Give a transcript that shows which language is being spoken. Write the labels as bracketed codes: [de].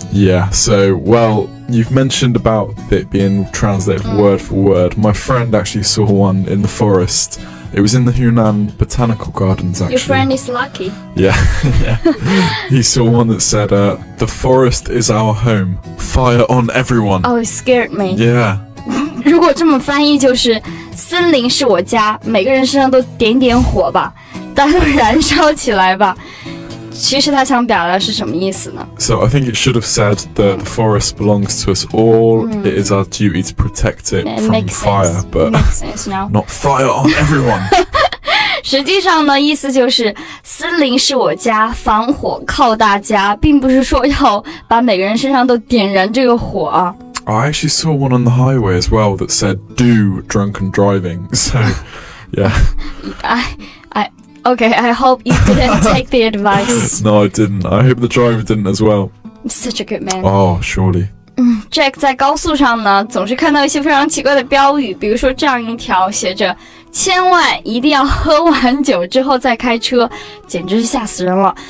[en] Yeah, so, well, you've mentioned about it being translated word for word. My friend actually saw one in the forest. It was in the Hunan Botanical Gardens, actually. Your friend is lucky. Yeah. He saw one that said, the forest is our home. Fire on everyone. Oh, it scared me. Yeah. [zh] 如果这么翻译就是森林是我家，每个人身上都点点火吧，当燃烧起来吧。其实他想表达是什么意思呢？ [en] So I think it should have said that the forest belongs to us all. It is our duty to protect it from fire, but not fire on everyone. [zh] 实际上呢，意思就是森林是我家，防火靠大家，并不是说要把每个人身上都点燃这个火啊。 [en] I actually saw one on the highway as well that said "Do drunken driving." So, yeah. Okay, I hope you didn't take the advice. No, I didn't. I hope the driver didn't as well. Such a good man. Oh, surely. [zh] Jack, 在高速上呢，总是看到一些非常奇怪的标语，比如说这样一条写着，千万一定要喝完酒之后再开车，简直是吓死人了。